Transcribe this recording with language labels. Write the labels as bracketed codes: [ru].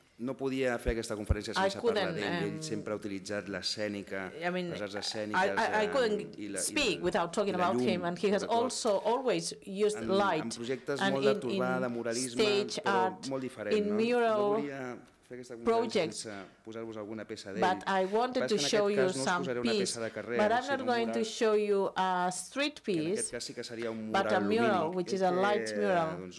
[ca] no podia fer aquesta conferència sense parlar d'ell. Ell sempre ha utilitzat l'escènica, les arts escèniques... [en] I couldn't speak without talking about him, and he has also always used light. [ca] En projectes molt de turbà, de muralisme, però molt diferent. [en] In mural projects, but I wanted to show you some piece, but I'm not going to show you a street piece, but a mural, which is a light mural.